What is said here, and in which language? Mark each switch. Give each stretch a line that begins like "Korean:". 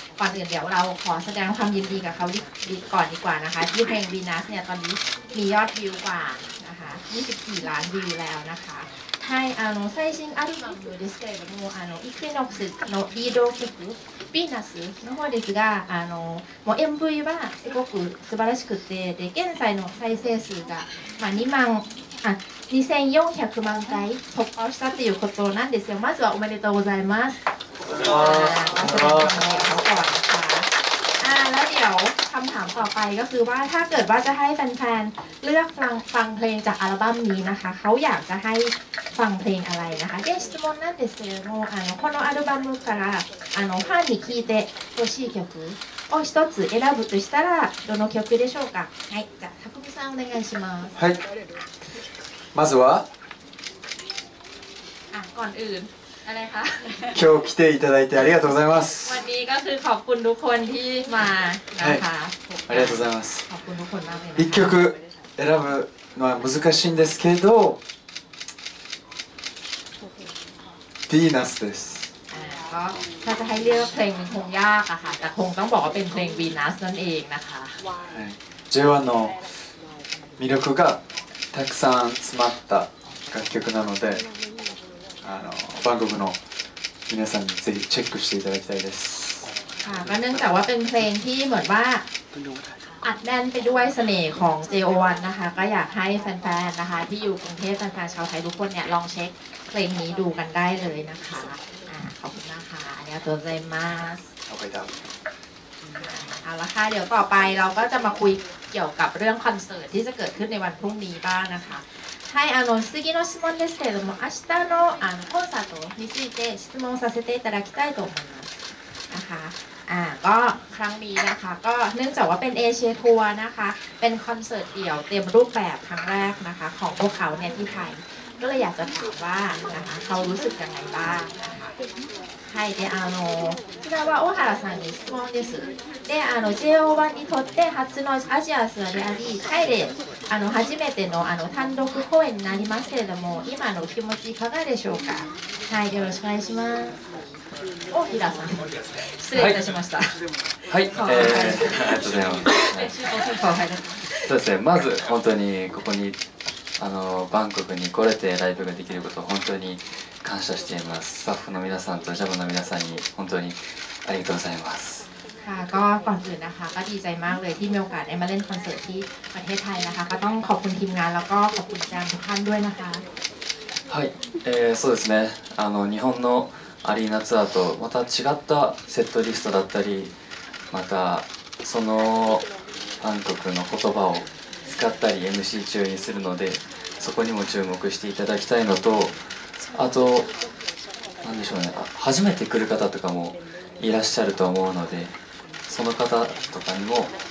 Thai: ก่อนอื่นเดี๋ยวเราขอแสดงความยินดีกับเขาก่อนดีกว่านะคะที่เพลง Venus เนี่ยตอนนี้มียอดวิวกว่านะคะ24ล้านวิวแล้วนะคะ
Japanese: はい、最新アルバムですけれども、イクイノックスのリード曲、ヴィーナスの方ですが、もう MV はすごく素晴らしくて、で、現在の再生数が、まあ、2400万回突破したということなんですよ。まずはおめでとうございます。おめでとうございます。おめでとうございます。
Thai: คำถามต่อไปก็คือว่าถ้าเกิดว่าจะให้แฟนๆเลือกฟังเพลงจากอัลบั้มนี้นะคะเขาอยากจะให้ฟังเพลงอะไรนะคะ
Japanese: で質問なんですけれどもこのアルバムからファンに聞いてほしい曲を一つ選ぶとしたらどの曲でしょうか。はい、じゃあたくみさんお願いします。はい、まずは
Thai: ก่อนอื่นอะไรคะ
Japanese: 今日来ていただいてありがとうございます。
Thai: วันนี้ก็คือขอบคุณทุกคนที่มานะคะ
Japanese: ありがとうございます。
Thai: ขอบคุณทุกคนมากเลยนะคะ
Japanese: 1曲選ぶのは難しいんですけどヴィーナスです。
Thai: ถ้าจะให้เลือกเพลงคงยากอะค่ะแต่คงต้องบอกว่าเป็นเพลงวีนัสนั่นเองนะคะ
Japanese: J1 の魅力がたくさん詰まった楽曲なのでバンコクの皆さんにぜひチェックしていただきたいです。
Thai: ก็เนื่องจากว่าเป็นเพลงที่เหมือนว่าอัดแน่นไปด้วยเสน่ห์ของ JO1 นะคะก็อยากให้แฟนๆนะคะที่อยู่กรุงเทพฯแฟนๆชาวไทยทุกคนเนี่ยลองเช็คเพลงนี้ดูกันได้เลยนะคะขอบคุณมากค่ะ
Japanese: ありがとうございます。
Thai: โอเคครับ เอาละค่ะเดี๋ยวต่อไปเราก็จะมาคุยเกี่ยวกับเรื่องคอนเสิร์ตที่จะเกิดขึ้นในวันพรุ่งนี้บ้างนะคะ
Japanese: はい、次の質問ですけれども、明日のコンサートについて質問させていただきたいと思います。なんか、
Thai: ก็ครั้งนี้นะคะก็เนื่องจากว่าเป็นเอเชียทัวร์นะคะเป็นคอนเสิร์ตเดี่ยวเต็มรูปแบบครั้งแรกนะคะของพวกเขาในที่ไทยก็เลยอยากจะถามว่านะคะเขารู้สึกยังไงบ้าง
Japanese: はい、で、こちらは大原さんに質問です。で、JO1 にとって初のアジアツアーであり、タイで初めての単独公演になりますけれども、今の気持ちいかがでしょうか。はい、よろしくお願いします。大平さん、失礼いたしました。はい、はい、ありがとうございます。そうですね、まず本当にここにあのバンコクに来れてライブができることを本当に感謝しています。スタッフの皆さんとジャムの皆さんに本当にありがとうございます。
Thai: ค่ะก็ก่อนอื่นนะคะก็ดีใจมากเลยที่มีโอกาสได้มาเล่นคอนเสิร์ตที่ประเทศไทยนะคะก็ต้องขอบคุณทีมงานแล้วก็ขอบคุณอาจารย์ทุกท่านด้วยนะคะ
Japanese: はい、そうですね、あの日本のアリーナツアーとまた違ったセットリストだったり、またそのバンコクの言葉を使ったり MC 中にするので、そこにも注目していただきたいのと、あと何でしょうね、初めて来る方とかもいらっしゃると思うので、その方とかにも、